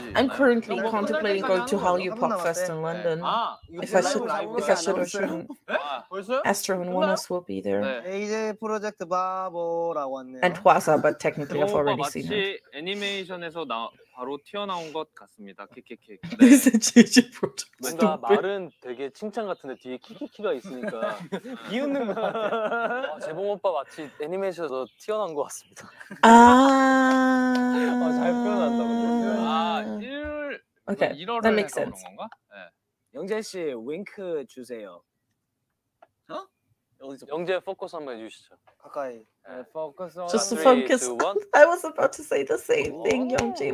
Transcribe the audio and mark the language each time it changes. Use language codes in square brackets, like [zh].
[en] I'm currently contemplating going to Hallyu Pop Fest in London. If I should or shouldn't. [ko] 벌써? [en] Astro and Oneus will be there. [ko] AJ Project 바보라고 왔네요. [en] And Twaza, but technically I've already seen it. [ko] 애니메이션에서 나 바로 튀어나온 것 같습니다. 키키키. 진짜 프로젝트. 뭔가 말은 되게 칭찬 같은데 뒤에 키키키가 있으니까 비웃는 것 같아. 재범 오빠 마치 애니메이션에서 튀어나온 것 같습니다. 아. 아, 잘 표현한다고. 아, 1월. 오케이. 1월에 나오는 건가? 예. 영재 씨 윙크 주세요. 어? 어디서? 영재 포커스 한번 해주시죠. 가까이. [en] Focus on just focus. I was about to say the same thing, Youngjae.